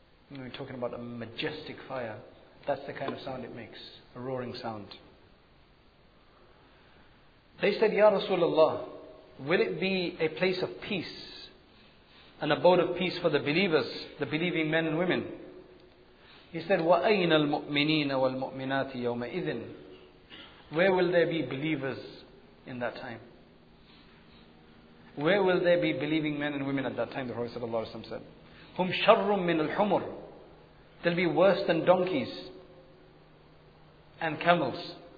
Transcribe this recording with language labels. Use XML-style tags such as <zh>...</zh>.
<en>We're talking about a majestic fire. That's the kind of sound it makes, a roaring sound. They said, Ya Rasulullah, will it be a place of peace, an abode of peace for the believers, the believing men and women? He said,</en> <ar>وَأَيْنَ الْمُؤْمِنِينَ وَالْمُؤْمِنَاتِ يَوْمَئِذٍ.</ar> <en>Where will there be believers in that time? Where will there be believing men and women at that time? The Prophet sallallahu alaihi wasallam said,</en> <ar>هُمْ شَرٌّ مِنَ الْحُمُرِ.</ar> <en>They'll be worse than donkeys and camels.</en>